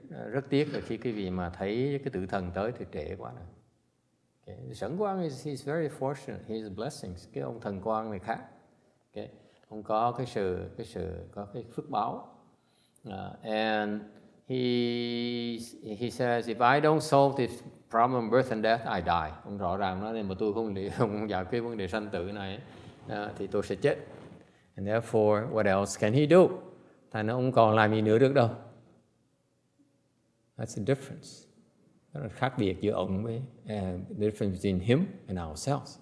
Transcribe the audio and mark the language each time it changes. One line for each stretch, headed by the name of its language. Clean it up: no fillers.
Vietnamese: Rất tiếc là khi quý vị mà thấy cái tử thần tới thì trễ quá rồi. Okay.
English: Sẵn quang he's very fortunate. He has blessings.
Vietnamese: Cái ông thần quang này khác.
English: Okay.
Vietnamese: Ông có cái sự có cái phước báo.
English: And he says if I don't solve this problem birth and death, I die.
Vietnamese: Ông rõ ràng nói nên mà tôi không giải quyết vấn đề sanh tử này thì tôi sẽ chết.
English: And therefore, what else can he do?
Vietnamese: Thành ông còn làm gì nữa được đâu.
English: That's the difference.
Vietnamese: Đó là khác biệt giữa ông với
English: the difference between him and ourselves.